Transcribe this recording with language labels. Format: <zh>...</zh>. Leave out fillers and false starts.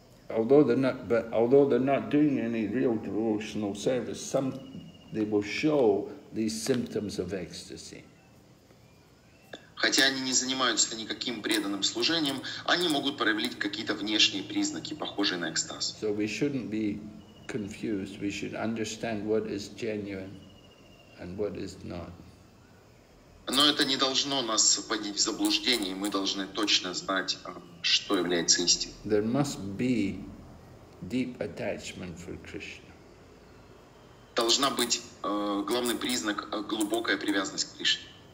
<en>Although they're not doing any real devotional service, they will show these symptoms of ecstasy.</en> <ru>Хотя они не занимаются никаким преданным служением, они могут проявлять какие-то внешние признаки, похожие на экстаз.</ru> <en>So we shouldn't be confused. We should understand what is genuine and what is not.</en> <ru>Но это не должно нас вводить в заблуждение. Мы должны точно знать, что является истиной.</ru> <en>There must be deep attachment for Krishna.</en> <ru>Должна быть главный признак глубокая привязанность к Кришне.</ru>